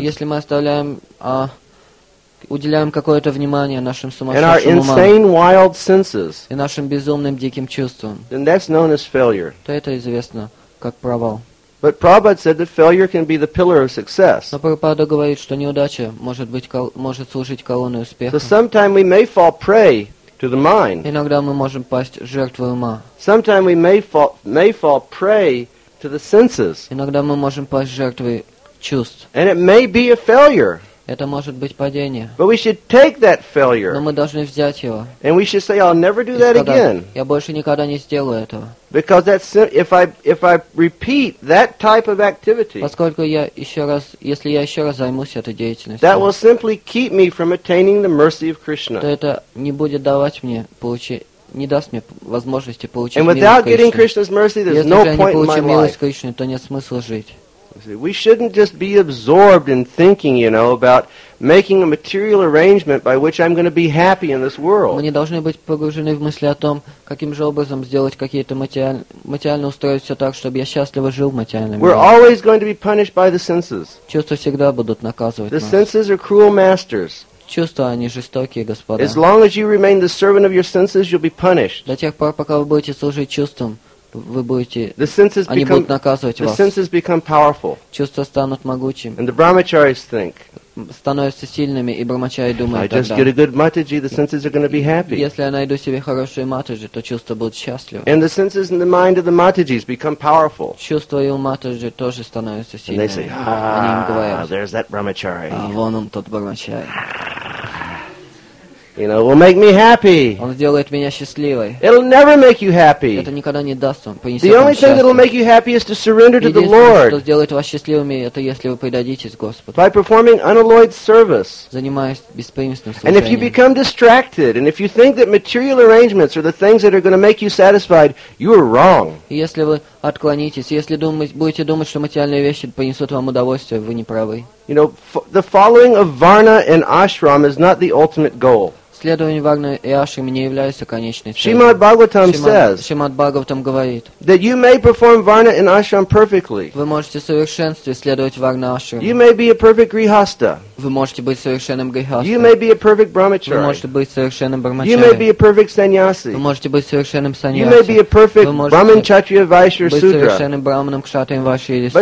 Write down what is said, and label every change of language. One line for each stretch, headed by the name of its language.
Russian: если мы оставляем, уделяем какое-то внимание нашим сумасшедшим умам,
English: and our insane wild senses,
Russian: и нашим безумным диким чувствам,
English: then that's known as failure.
Russian: То это известно как провал.
English: But Prabhupada said that failure can be the pillar of success.
Russian: Но Прабхупада говорит, что неудача может быть может служить колонной успеха.
English: So sometimes we may fall prey. To the mind.
Russian: Иногда мы можем пасть жертвой ума.
English: Sometimes we may fall prey to the senses.
Russian: Иногда мы можем пасть жертвой чувств.
English: And it may be a failure.
Russian: Это может быть падение.
English: But we should take that failure.
Russian: Но мы должны взять его.
English: And we should say, I'll never do that again.
Russian: Я больше никогда не сделаю этого.
English: Because that's if I repeat that type of activity.
Russian: Поскольку я еще раз, если я еще раз займусь этой деятельностью.
English: That will simply keep me from attaining the mercy of Krishna.
Russian: То это не будет давать мне получить, не даст мне возможности получить.
English: And without getting Krishna's mercy, there's no point in my life.
Russian: Если я не получу милость Кришны, то нет смысла жить.
English: We shouldn't just be absorbed in thinking, you know, about making a material arrangement by which I'm going to be happy in this world.
Russian: Мы не должны быть погружены в мысли о том, каким же образом сделать какие-то материальные устройства все так, чтобы я счастливо жил в материальном мире.
English: We're always going to be punished by the senses.
Russian: Чувства всегда будут наказывать нас.
English: The senses are cruel masters.
Russian: Чувства, они жестокие, господа.
English: As long as you remain the servant of your senses, you'll be punished.
Russian: До тех пор, пока вы будете служить чувствам, вы будете,
English: the senses
Russian: они
English: become,
Russian: будут наказывать вас.
English: The senses become powerful.
Russian: Чувства станут могучими.
English: And the brahmacharis think.
Russian: Становятся сильными, и брахмачари думают тогда.
English: I just get a good matiji, the senses are going to be happy.
Russian: Если я найду себе хорошую матиджи, то чувства будут счастливы.
English: And the senses in the mind of the matijis become powerful.
Russian: Чувства и у матиджи тоже становятся сильными.
English: And they say, ah,
Russian: говорят,
English: there's that brahmachari.
Russian: А вон он, тот брахмачари.
English: You know, will make me happy.
Russian: Он сделает меня счастливой.
English: It'll never make you happy.
Russian: Это никогда не даст вам, принесет вам счастье.
English: The only thing that'll make you happy is to surrender to the Lord.
Russian: Единственное, что сделает вас счастливыми, это если вы предадитесь Господу.
English: By performing unalloyed service.
Russian: Занимаясь беспримесным служением.
English: And if you become distracted, and if you think that material arrangements are the things that are going to make you satisfied, you are wrong.
Russian: Если вы отклонитесь, если будете думать, что материальные вещи принесут вам удовольствие, вы не правы.
English: You know, the following of Varna and Ashram is not the ultimate goal.
Russian: Следование Варны и Ашрамы не является конечной целью.
English: Шримад Бхагаватам says.
Russian: Шримад Бхагаватам говорит.
English: That you may perform Varna and Ashram perfectly.
Russian: Вы можете в совершенстве следовать Варна и Ашрамы.
English: You may be a perfect Grihastha.
Russian: Вы можете быть совершенным Грихастой.
English: You may be a perfect Brahmachari.
Russian: Вы можете быть совершенным Брахмачари.
English: You may be a perfect Sannyasi.
Russian: Вы можете быть совершенным Саньяси.
English: You may be a perfect Brahman Kshatriya Vaishya Sutra.
Russian: Вы можете быть совершенным Брахманом Кшатрием Вайшья Сутра.